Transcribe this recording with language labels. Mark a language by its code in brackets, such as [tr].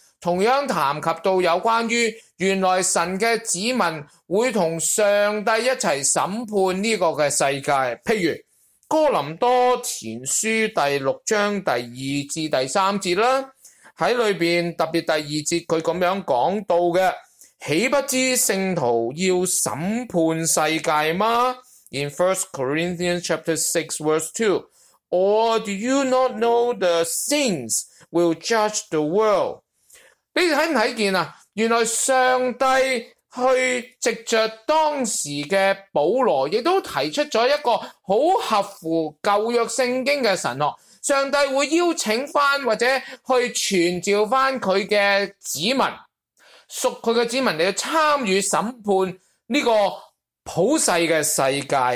[zh] 同样谈及到有关于原来神的子民会同上帝一起审判这个世界。譬如哥林多前书第六章第二至第三节啦，在里面特别第二节他这样讲到的，岂不知圣徒要审判世界吗？ [en] In 1 Corinthians chapter 6 verse 2, Or do you not know the saints will judge the world? [zh] 你看不看见啊，原来上帝去藉着当时的保罗也都提出了一个很合乎旧约圣经的神学，上帝会邀请返或者去传召返佢嘅子民，属佢嘅子民嚟参与审判呢个普世嘅世界。